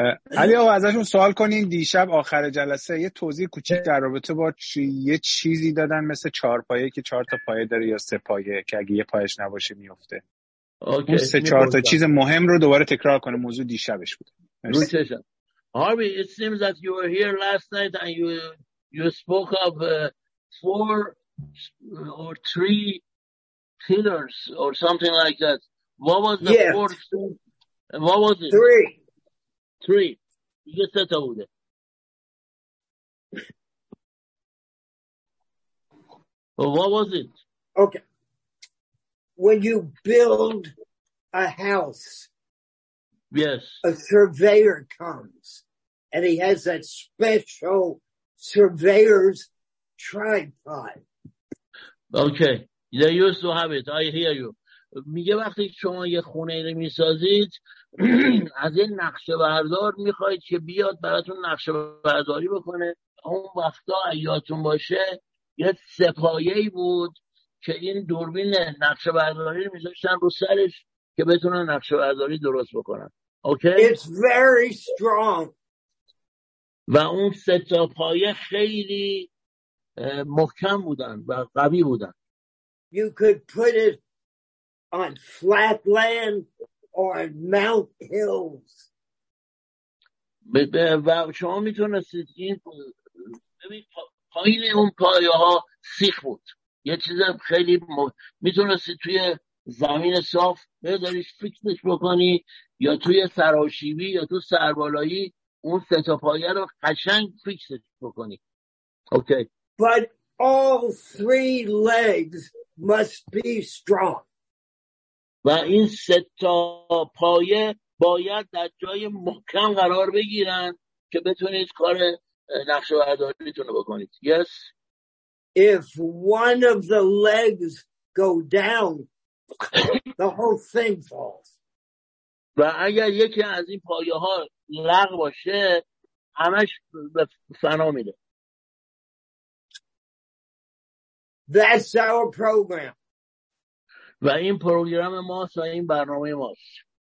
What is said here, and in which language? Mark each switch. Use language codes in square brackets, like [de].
[fa] علی آقا ازشون سوال کنین دیشب آخر جلسه یه توضیح کوچیک در رابطه با یه چیزی دادن مثل چهارپایه که چهار تا پایه داره یا سه پایه که اگه یه پایش نباشه میفته. اوکی. سه چهار تا چیز مهم رو دوباره تکرار کنه. موضوع دیشبش بود. [en] Harvey, it seems that you were here last night and you spoke of four or three pillars or something like that. What was the fourth? What was it? Three. You said that would it. What was it? Okay. When you build a house, yes, a surveyor comes, and he has that special surveyor's tripod. Okay. They used to have it. I hear you. [fa] میگه وقتی شما یه خونه رو میسازید از این نقشه بردار میخواید که بیاد براتون نقشه برداری بکنه. اون وقتا ایاتون باشه یه سپایهی بود که این دوربین نقشه برداری رو میذاشتن رو سرش که بتونن نقشه برداری درست بکنن. اوکی؟ [en] It's very strong. [fa] و اون سه تا پایه خیلی محکم بودن و قوی بودن. [en] You could put it on flat land or mount hills. [fa] و شما میتونستید این پایین اون پایه ها سیخ بود، یه چیز خیلی میتونستید توی زمین صاف بذاریش فیکسش بکنی، یا توی سراشیبی یا تو سربالایی اون سه تا پایه رو قشنگ فیکسش بکنی. اوکی. [en] But all three legs must be strong. [fa] و این سه تا پایه باید در جای محکم قرار بگیرن که بتونید کار نقشه برداریتون رو بکنید. [en] Yes. If one of the legs go down, the whole thing falls. [fa] و اگر یکی از این پایه ها لغ باشه همش به فنا میده. [en] That's our program. [fa] و این پروگرام ماست و این برنامه ماست.